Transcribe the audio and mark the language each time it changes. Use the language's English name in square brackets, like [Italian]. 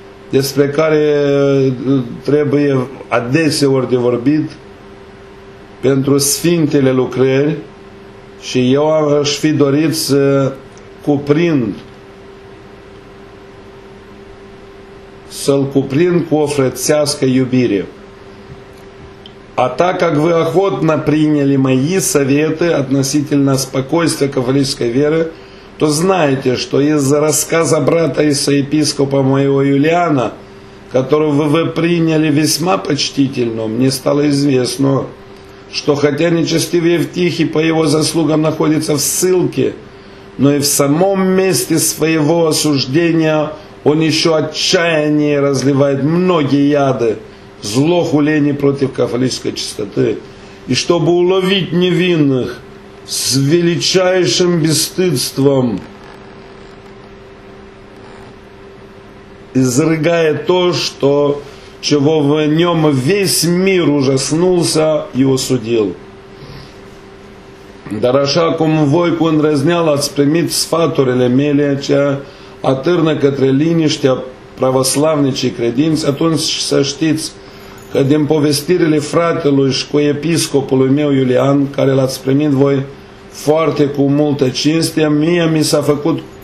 [Romanian] despre care trebuie adeseori de vorbit pentru sfintele lucrări, și eu aș fi dorit să cuprind, să-l cuprind cu o frățească iubire. [Russian] А так как вы охотно приняли мои советы относительно спокойствия католической веры, то знаете, что из-за рассказа брата и соепископа моего Юлиана, которого вы приняли весьма почтительно, мне стало известно, что хотя нечестивый Евтихий по его заслугам находится в ссылке, но и в самом месте своего осуждения он еще отчаяннее разливает многие яды, зло хулений против католической чистоты. И чтобы уловить невинных с величайшим бесстыдством, изрыгая то, что... чего в нем весь мир ужаснулся и осудил. [Romanian] Dar așa cum voi cu îndrăzneală ați primit sfaturile mele, cea atârnă către liniștea pravoslavnicii credinți, atunci să știți că din povestirile fratelui și cu episcopului meu Iulian, care l-ați primit voi foarte cu multă cinste, mie mi s-a făcut